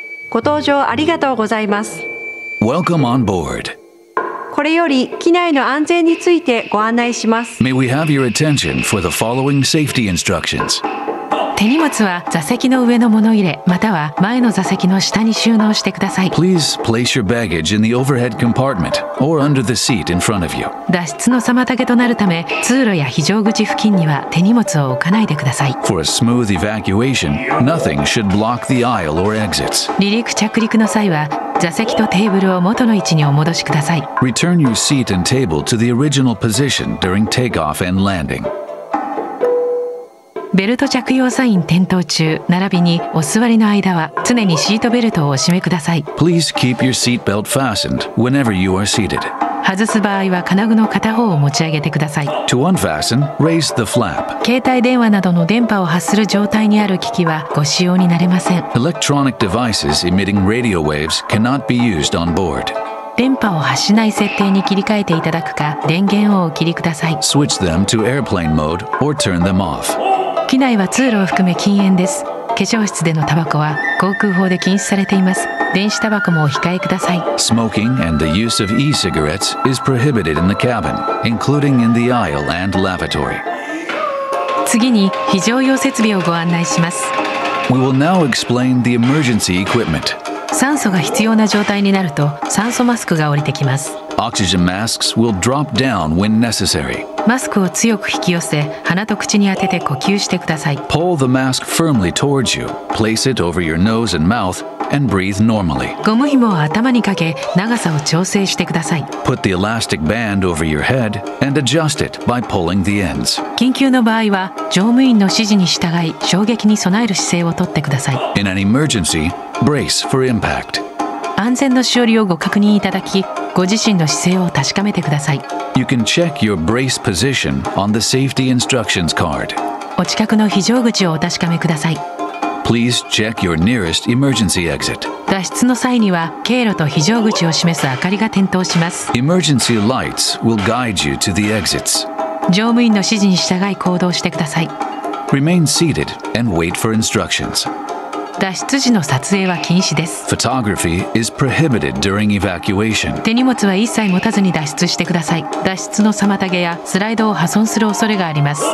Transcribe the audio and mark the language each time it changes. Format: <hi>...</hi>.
<ja>ご搭乗ありがとうございます。</ja> <en>Welcome on board.</en> <ja>これより機内の安全についてご案内します。</ja> <en>May we have your attention for the following safety instructions.</en> <ja>手荷物は座席の上の物入れまたは前の座席の下に収納してください。</ja> <en>Please place your baggage in the overhead compartment or under the seat in front of you.</en> <ja>脱出の妨げとなるため通路や非常口付近には手荷物を置かないでください。</ja> <en>For a smooth evacuation, nothing should block the aisle or exits.</en> <ja>離陸着陸の際は座席とテーブルを元の位置にお戻しください。</ja> <en>Return your seat and table to the original position during takeoff and landing.</en> <ja>ベルト着用サイン点灯中並びにお座りの間は常にシートベルトをお締めください。</ja> <en>Please keep your seat belt fastened whenever you are seated.</en> <ja>外す場合は金具の片方を持ち上げてください。</ja> <en>To unfasten, raise the flap.</en> <ja>携帯電話などの電波を発する状態にある機器はご使用になれません。</ja> <en>Electronic devices emitting radio waves cannot be used on board.</en> <ja>電波を発しない設定に切り替えていただくか、電源をお切りください。</ja> <en>Switch them to airplane mode or turn them off.</en> <ja>機内は通路を含め禁煙です。化粧室でのタバコは航空法で禁止されています。電子タバコもお控えください。</ja> <en>Smoking and the use of e-cigarettes is prohibited in the cabin, including in the aisle and lavatory.</en> <ja>次に非常用設備をご案内します。</ja> <en>We will now explain the emergency equipment.</en> <ja>酸素が必要な状態になると酸素マスクが降りてきます。</ja> <en>Oxygen masks will drop down when necessary.</en> <ja>マスクを強く引き寄せ鼻と口に当てて呼吸してください。</ja> <en>Pull the mask firmly towards you. Place it over your nose and mouth and breathe normally.</en> <ja>ゴム紐を頭にかけ長さを調整してください。</ja> <en>Put the elastic band over your head and adjust it by pulling the ends.</en> <ja>緊急の場合は乗務員の指示に従い衝撃に備える姿勢をとってください。</ja> <en>In an emergencyBrace for impact.</en> <ja>安全のしおりをご確認いただき、ご自身の姿勢を確かめてください。</ja> <en>You can check your brace position on the safety instructions card.</en> <ja>お近くの非常口をお確かめください。</ja> <en>Please check your nearest emergency exit.</en> <ja>脱出の際には経路と非常口を示す明かりが点灯します。</ja> <en>Emergency lights will guide you to the exits.</en> <ja>乗務員の指示に従い行動してください。</ja> <en>Remain seated and wait for instructions.</en> <ja>脱出時の撮影は禁止です。</ja> <en>Photography is prohibited during evacuation.</en> <ja>手荷物は一切持たずに脱出してください。脱出の妨げやスライドを破損する恐れがあります。</ja>